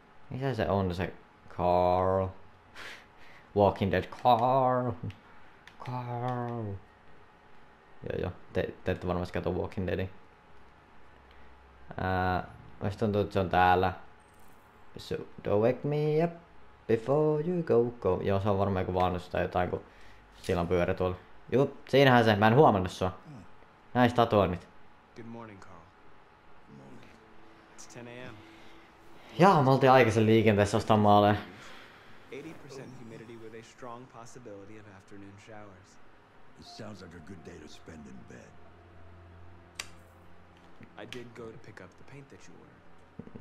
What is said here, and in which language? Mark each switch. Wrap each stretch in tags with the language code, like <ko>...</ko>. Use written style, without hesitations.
<fi>Missä se on se Carl? Walking Dead Carl! Carl! Joo joo, te ette varmasti kato Walking Deadin. Mä tuntuu, että se on täällä.</fi> <en>So, don't wake me up before you go go.</en> <fi>Joo, se on varmaan joku vaannus tai jotain, kun sillä on pyörä tuolla. Juu, siinähän se. Mä en huomannut sua. Näistä tatuoinnit.</fi> <en>Good morning, Carl. It's 10 a.m.</en> <fi>Jaa, me oltiin aikaisen liikenteessä ostaa maaleja.</fi> <en>80% humidity with a strong possibility of afternoon showers. It sounds like a good day to spend in bed. I did go to pick up the paint that you ordered.</en>